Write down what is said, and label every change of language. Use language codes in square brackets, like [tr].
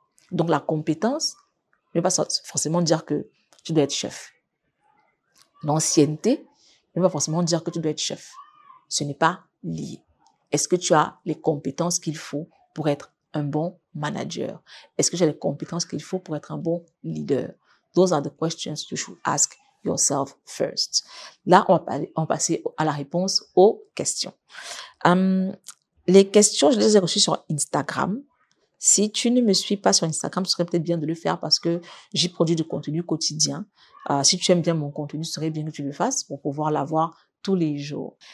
[fr] Donc, la compétence ne veut pas forcément dire que tu dois être chef. L'ancienneté ne veut pas forcément dire que tu dois être chef. Ce n'est pas lié. Est-ce que tu as les compétences qu'il faut pour être un bon manager? Est-ce que tu as les compétences qu'il faut pour être un bon leader? [en] Those are the questions you should ask yourself first. [fr] Là, on va passer à la réponse aux questions. Les questions, je les ai reçues sur Instagram. Si tu ne me suis pas sur Instagram, ce serait peut-être bien de le faire parce que j'y produis du contenu quotidien. Si tu aimes bien mon contenu, ce serait bien que tu le fasses pour pouvoir l'avoir tous les jours.